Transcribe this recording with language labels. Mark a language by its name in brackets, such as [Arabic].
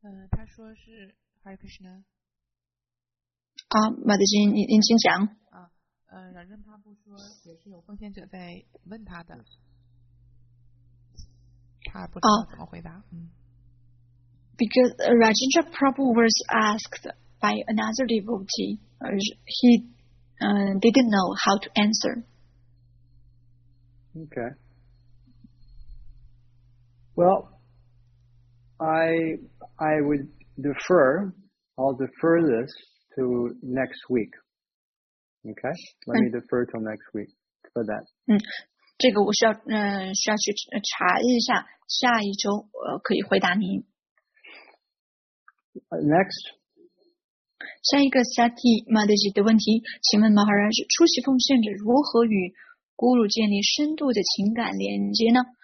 [Chinese] 他说是 Hare Krishna。啊，马德金，您请讲。啊，冉任帕布说也是有奉献者在问他的，他不知道怎么回答。 [English] Because Rajendra Prabhu was asked by another devotee, he didn't know how to answer. Okay. Well, I would defer. I'll defer this. To next week. Okay? Let me defer till next week for that. [Chinese] 这个我需要去查一下，下一周可以回答您。 [English] Next. [Chinese] 下一个 Sati Madhiji 的问题，请问 Maharaj， 出席奉献者如何与 Guru 建立深度的情感连接呢？